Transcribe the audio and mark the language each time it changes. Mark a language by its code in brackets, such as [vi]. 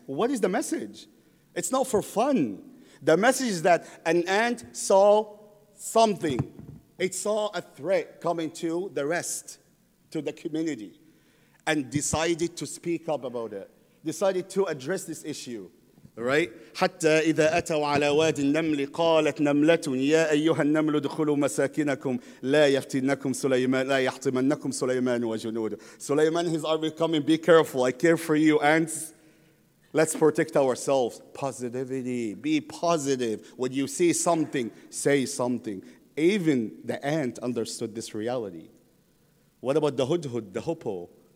[en] What is the message? It's not for fun. The message is that an ant saw something. It saw a threat coming to the rest, to the community, and decided to speak up about it, decided to address this issue. Right? [ar] حتى إذا أتوا على واد النمل قالت نملة يا أيها النمل دخلوا مساكنكم لا يفتنكم سليمان لا يحطمنكم سليمان وجنوده. [en] Sulaiman, his army coming, be careful, I care for you ants, let's protect ourselves. Positivity, be positive. When you see something, say something. Even the ant understood this reality. What about the hudhud, the hoopoe?